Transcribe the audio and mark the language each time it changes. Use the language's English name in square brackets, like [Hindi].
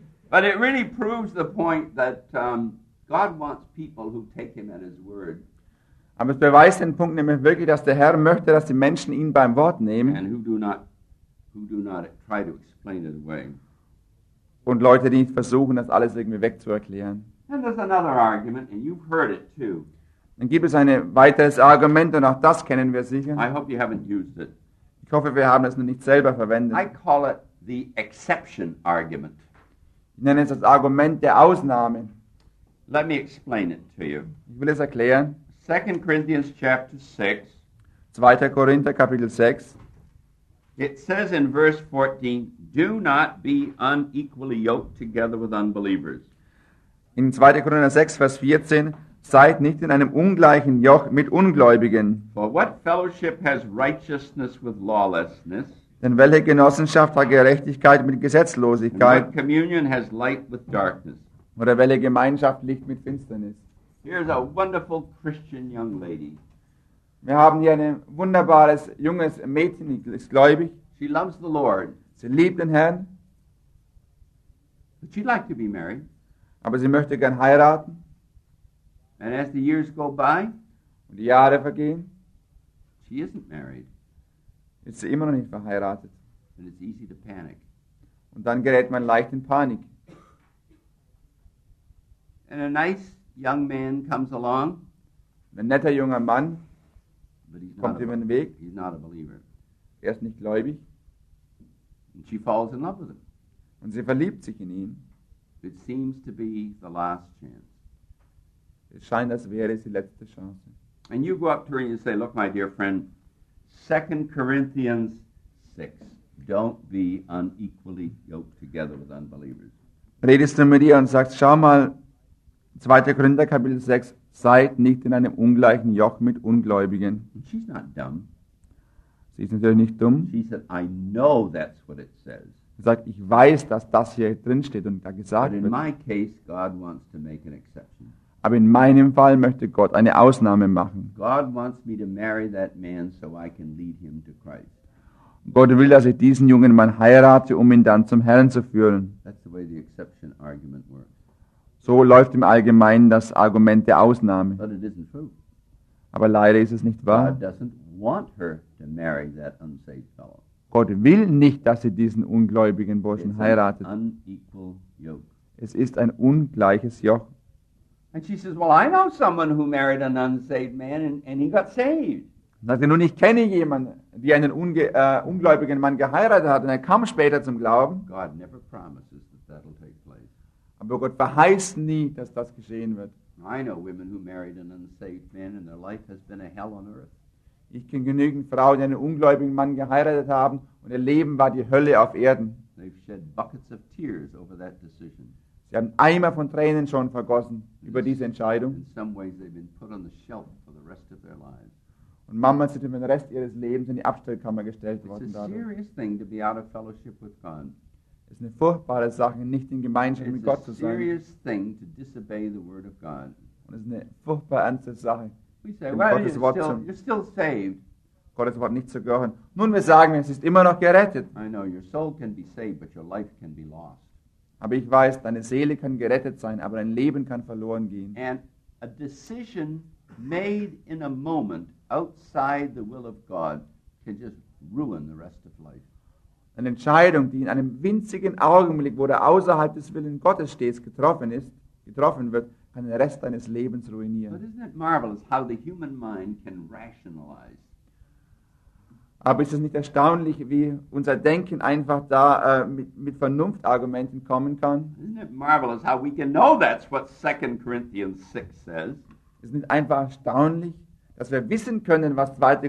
[English] But it really proves the point that God wants people who take him at his word. [German] Aber es beweist den Punkt nämlich wirklich, dass der Herr möchte, dass die Menschen ihn beim Wort nehmen. [English] And who do not try to explain it away. [German] Und Leute, die versuchen, das alles irgendwie wegzuerklären. [English] And there's another argument, and you've heard it too. [German] Dann gibt es ein weiteres Argument, und auch das kennen wir sicher. [English] I hope you haven't used it. [German] Ich hoffe, wir haben es noch nicht selber verwendet. [English] I call it the exception argument. [German] Ich nenne es das Argument der Ausnahme. [English] Let me explain it to you. [German] Ich will es erklären. [English] 2 Corinthians chapter 6. [German] 2. Korinther Kapitel 6. [English] It says in verse 14, do not be unequally yoked together with unbelievers. [German] In 2. Korinther 6, Vers 14, seid nicht in einem ungleichen Joch mit Ungläubigen. [English] For what fellowship has righteousness with lawlessness? [German] Denn welche Genossenschaft hat Gerechtigkeit mit Gesetzlosigkeit? [English] And what communion has light with darkness? [German] Oder welche Gemeinschaft Licht mit Finsternis? [English] Here's a wonderful Christian young lady. [German] Wir haben hier ein wunderbares junges Mädchen, die ist gläubig. [English] She loves the Lord. [German] Sie liebt den Herrn. [English] But she'd like to be married. [German] Aber sie möchte gern heiraten. [English] And as the years go by, [German] und die Jahre vergehen, [English] she isn't married. [German] Ist sie immer noch nicht verheiratet. [English] And it's easy to panic. [German] Und dann gerät man leicht in Panik. [English] And a nice young man comes along. [German] Ein netter junger Mann kommt über den Weg. [English] He's not a believer. [German] Er ist nicht gläubig. [English] And she falls in love with him. [German] Und sie verliebt sich in ihn. [English] It seems to be the last chance. [German] Es scheint, als wäre es die letzte Chance. [English] And you go up to her and you say, look, my dear friend, 2 Corinthians 6, don't be unequally yoked together with unbelievers. [German] Redest du mit ihr und sagst, schau mal, 2. Korinther Kapitel 6, seid nicht in einem ungleichen Joch mit Ungläubigen. [English] She's not dumb. [German] Sie ist natürlich nicht dumm. [English] She said, I know that's what it says. [German] Sie sagt, ich weiß, dass das hier drin steht und da gesagt [English] But in [German] wird. [English] My case, God wants to make an exception. [German] Aber in meinem Fall möchte Gott eine Ausnahme machen. [English] God wants me to marry that man so I can lead him to Christ. [German] Gott will, dass ich diesen jungen Mann heirate, um ihn dann zum Herrn zu führen. [English] That's the way the exception argument works. [German] So läuft im Allgemeinen das Argument der Ausnahme. [English] But it isn't true. [German] Aber leider ist es nicht wahr. [English] God doesn't want her to marry that unsaved fellow. [German] Gott will nicht, dass sie diesen ungläubigen Burschen [English] It's [German] heiratet. [English] An unequal yoke. [German] Es ist ein ungleiches Joch. [English] And she says, well, I know someone who married an unsaved man and he got saved. [German] Sagt sie, nun, ich kenne jemanden, der einen ungläubigen Mann geheiratet hat und er kam später zum Glauben. [English] God never promises that that'll take place. [German] Aber Gott verheißt nie, dass das geschehen wird. [English] I know women who married an unsaved man and their life has been a hell on earth. [German] Ich kenne genügend Frauen, die einen ungläubigen Mann geheiratet haben und ihr Leben war die Hölle auf Erden. [English] They've shed buckets of tears over that decision. [German] Sie haben Eimer von Tränen schon vergossen über diese Entscheidung. [English] In some ways they've been put on the shelf for the rest of their lives. [German] Und Mama sind für den Rest ihres Lebens in die Abstellkammer gestellt worden. [English] It's a serious thing to be out of fellowship with God. [German] Es ist eine furchtbare Sache, nicht in Gemeinschaft mit Gott zu sein. [English] It's a serious thing to disobey the word of God. [German] Es ist eine furchtbar ernste Sache. [English] We say, well, you're still saved. [German] Gottes Wort nicht zu gehören. Nun, wir sagen, es ist immer noch gerettet. [English] I know, your soul can be saved, but your life can be lost. [German] Aber ich weiß, deine Seele kann gerettet sein, aber dein Leben kann verloren gehen. [English] And a decision made in a moment outside the will of God can just ruin the rest of life. [German] Eine Entscheidung, die in einem winzigen Augenblick, wo der außerhalb des Willens Gottes steht, getroffen wird, kann den Rest deines Lebens ruinieren. [English] But isn't it marvelous how the human mind can rationalize? [German] Aber ist es nicht erstaunlich, wie unser Denken einfach da mit Vernunftargumenten kommen kann? [English] Isn't it marvelous how we can know that's what 2 Corinthians 6 says? [German] Ist nicht einfach erstaunlich, dass wir wissen können, was 2.